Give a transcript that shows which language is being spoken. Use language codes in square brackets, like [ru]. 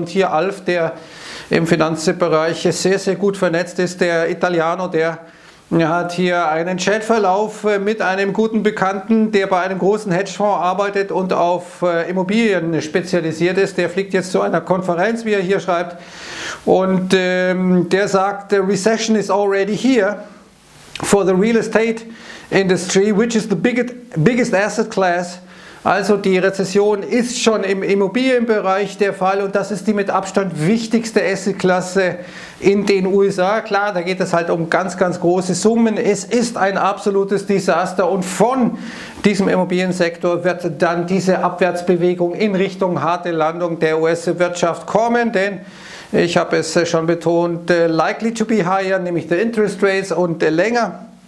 [de] Und hier Alf, der im Finanzbereich sehr, sehr gut vernetzt ist, der Italiano, der hat hier einen Chatverlauf mit einem guten Bekannten, der bei einem großen Hedgefonds arbeitet und auf Immobilien spezialisiert ist. Der fliegt jetzt zu einer Konferenz, wie er hier schreibt. Und der sagt, [en] the recession is already here for the real estate industry, which is the biggest asset class. [de] Also die Rezession ist schon im Immobilienbereich der Fall und das ist die mit Abstand wichtigste Assetklasse in den USA. Klar, da geht es halt um ganz, ganz große Summen. Es ist ein absolutes Desaster und von diesem Immobiliensektor wird dann diese Abwärtsbewegung in Richtung harte Landung der US-Wirtschaft kommen, denn ich habe es schon betont, [en] likely to be higher, [de] nämlich [en] the interest rates [de] und länger.